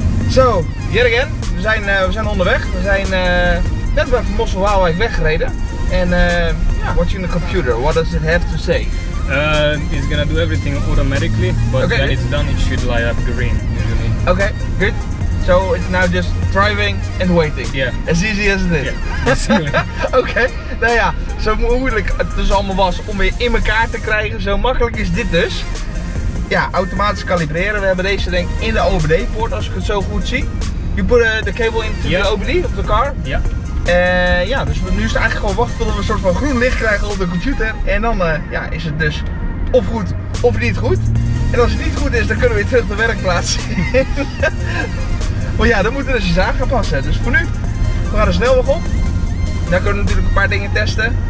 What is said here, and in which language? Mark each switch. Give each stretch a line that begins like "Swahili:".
Dutch: Zo,
English: so, yet again,
Dutch: we zijn onderweg. We zijn net bij Van Mossel Waalwijk weggereden.
English: En watching the computer, what does it have to say? It's gonna do everything automatically, but okay, when good. It's done, it should light up green, usually. Okay, good. So it's now just driving and waiting. Yeah. As easy as it is. Yeah.
Dutch: Okay, nou ja, zo moeilijk het dus allemaal was om weer in elkaar te krijgen, zo makkelijk is dit dus. Ja, automatisch kalibreren. We hebben deze denk ik in de OBD-poort, als ik het zo goed zie.
English: You put the cable into the OBD of the car.
Dutch: Ja. Ja, dus nu is het eigenlijk gewoon wachten tot we een soort van groen licht krijgen op de computer. En dan is het dus of goed of niet goed. En als het niet goed is, dan kunnen we weer terug de werkplaats zien. Maar ja, dan moeten we dus aan gaan passen. Dus voor nu, we gaan de snelweg op. Daar kunnen we natuurlijk een paar dingen testen.